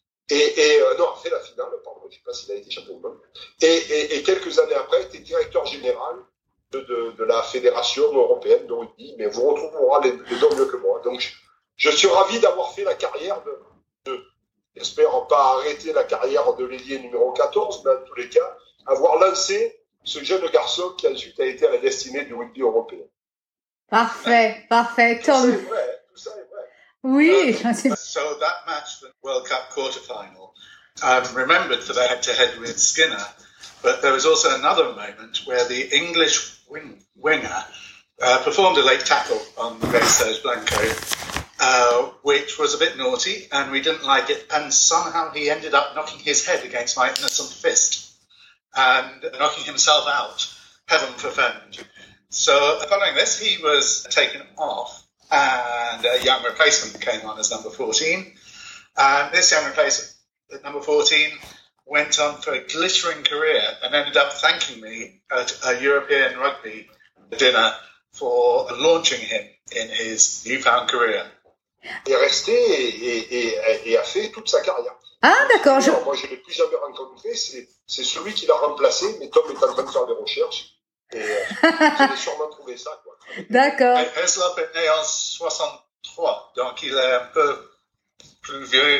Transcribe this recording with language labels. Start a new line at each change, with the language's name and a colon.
French: Non, a fait la finale, pardon, je ne sais pas s'il a été champion du monde. Et quelques années après, il était directeur général de la Fédération européenne de rugby, mais vous retrouverez les noms mieux que moi. Donc, je suis ravi d'avoir fait la carrière j'espère pas arrêter la carrière de l'ailier numéro 14, mais en tous les cas, avoir lancé ce jeune garçon qui ensuite a été à la destinée du rugby européen. Parfait, ouais. Parfait, tout Tom. Ça est vrai, tout ça est vrai. Oui,
English: So that match, the World Cup quarterfinal, I'm remembered for the head-to-head with Skinner, but there was also another moment where the English winger performed a late tackle on the base Serge Blanco, which was a bit naughty, and we didn't like it, and somehow he ended up knocking his head against my innocent fist. And knocking himself out, heaven forfend. So following this, he was taken off, and a young replacement came on as number 14. And this young replacement, at number 14, went on for a glittering career and ended up thanking me at a European rugby dinner for launching him in his newfound career.
French: Il est resté et a fait toute sa carrière. Ah, d'accord. Moi, je ne l'ai plus jamais rencontré. C'est celui qui l'a remplacé, mais Tom est en train de faire des recherches. Et j'ai sûrement trouvé ça, quoi. D'accord. Heslop est né en 63, donc il est un peu plus vieux.